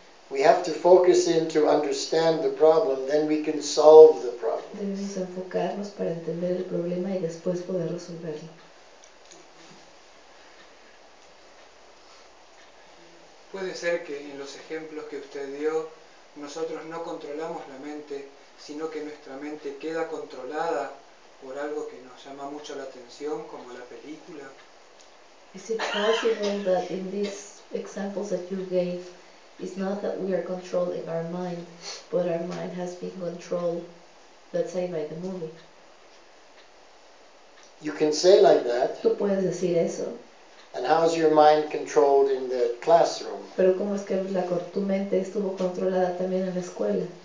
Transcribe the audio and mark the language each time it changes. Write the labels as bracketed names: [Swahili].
[English] We have to focus in to understand the problem, then we can solve the problem. [Spanish] Debemos enfocarnos para entender el problema y después poder resolverlo. Puede ser que en los ejemplos que usted dio, nosotros no controlamos la mente, sino que nuestra mente queda controlada por algo que nos llama mucho la atención, como la película. [English] Is it possible that in these examples that you gave, it's not that we are controlling our mind, but our mind has been controlled, let's say, by the movie? You can say like that. [Spanish] Tú puedes decir eso. [English] And how is your mind controlled in the classroom? [Spanish] Pero ¿cómo es que tu mente estuvo controlada también en la escuela?